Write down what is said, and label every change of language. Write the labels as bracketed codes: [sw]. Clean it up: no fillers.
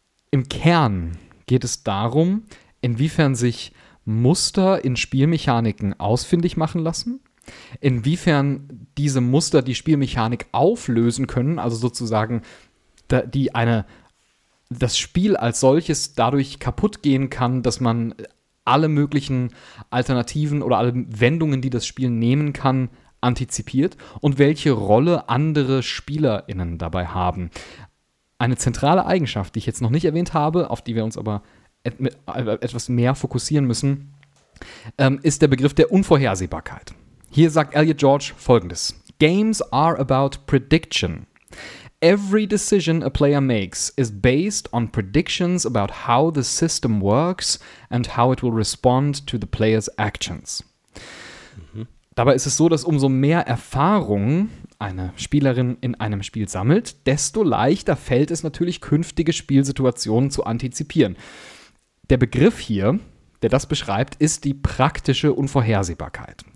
[de] Im Kern geht es darum, inwiefern sich Muster in Spielmechaniken ausfindig machen lassen, inwiefern diese Muster die Spielmechanik auflösen können, also sozusagen die eine das Spiel als solches dadurch kaputt gehen kann, dass man alle möglichen Alternativen oder alle Wendungen, die das Spiel nehmen kann, antizipiert und welche Rolle andere SpielerInnen dabei haben. Eine zentrale Eigenschaft, die ich jetzt noch nicht erwähnt habe, auf die wir uns aber etwas mehr fokussieren müssen, ist der Begriff der Unvorhersehbarkeit. Hier sagt Elliot George Folgendes. [en] Games are about prediction. Every decision a player makes is based on predictions about how the system works and how it will respond to the player's actions. Mhm. [de] Dabei ist es so, dass umso mehr Erfahrung eine Spielerin in einem Spiel sammelt, desto leichter fällt es natürlich, künftige Spielsituationen zu antizipieren. Der Begriff hier, der das beschreibt, ist die praktische Unvorhersehbarkeit.